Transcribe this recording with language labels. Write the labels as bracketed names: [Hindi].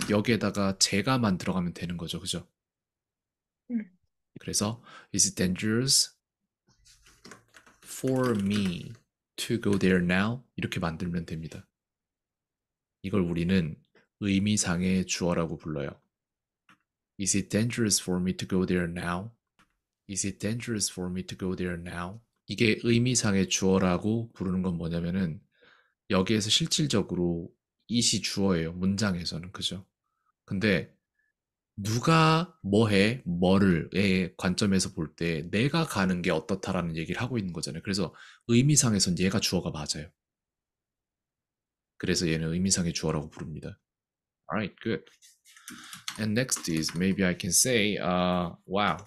[Korean] 여기에다가 제가 만들어가면 되는 거죠, 그죠? 그래서 [English] Is it dangerous for me to go there now? [Korean] 이렇게 만들면 됩니다. 이걸 우리는 의미상의 주어라고 불러요. [English] Is it dangerous for me to go there now? Is it dangerous for me to go there now? [Korean] 이게 의미상의 주어라고 부르는 건 뭐냐면은 여기에서 실질적으로 is이 주어예요. 문장에서는 그죠? 근데 누가 뭐해 뭐를의 관점에서 볼때 내가 가는 게 어떻다라는 얘기를 하고 있는 거잖아요. 그래서 의미상에선 얘가 주어가 맞아요. 그래서 얘는 의미상의 주어라고 부릅니다. [English] Alright, good. And next is maybe I can say, wow.